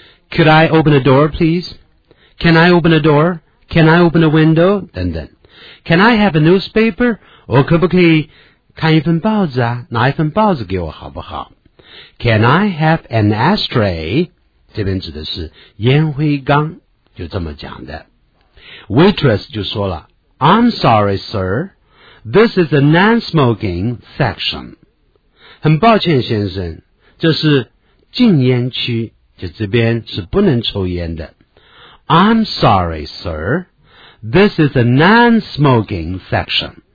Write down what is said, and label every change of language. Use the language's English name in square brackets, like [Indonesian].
[English] Could I open a door please? Can I open a door? Can I open a window? [Chinese] 等等。 [English] Can I have a newspaper? [Chinese] 我可不可以看一份报纸啊，拿一份报纸给我好不好？ [English] Can I have an ashtray? [Chinese] 这边指的是烟灰缸，就这么讲的。 [English] Waitress [Chinese] 就说了， [English] I'm sorry sir, this is a non-smoking section. [Chinese] 很抱歉先生，这是禁烟区，就这边是不能抽烟的。 [English] I'm sorry sir, this is a non-smoking section.